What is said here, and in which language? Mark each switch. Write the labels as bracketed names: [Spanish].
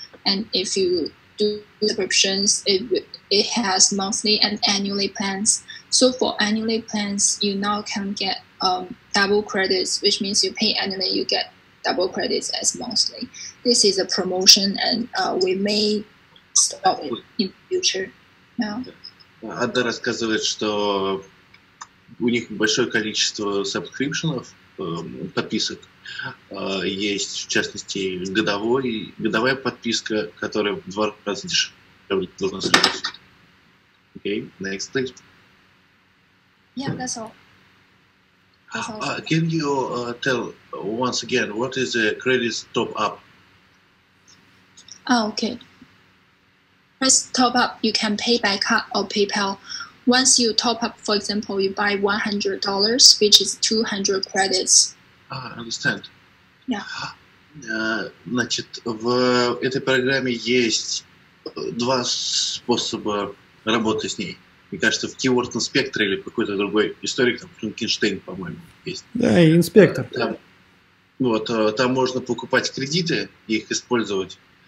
[English] And if you do subscriptions, it has monthly and annually plans. So for annually plans, you now can get double credits, which means you pay annually, you get double credits as monthly. This is a promotion, and we may stop it in the future. [Russian] Ада рассказывает, что у них большое количество сабскрипшенов, подписок. Есть, в частности, годовая подписка, которая в два раза дешевле должна стоить. [English] Окей, next please. Yeah, that's all. Can you tell once again what is the credits top up? Oh, okay. Credits top up, you can pay by card or PayPal. Once you top up, for example, you buy $100, which is 200 credits. Ah, understand. Yeah. [Russian] Значит, в этой программе есть два способа работы с ней. Мне кажется, в Keyword Inspector или какой-то другой историк, там, Франкенштейн, по-моему, есть. Да, и инспектор. Там, вот, там можно покупать кредиты и их использовать.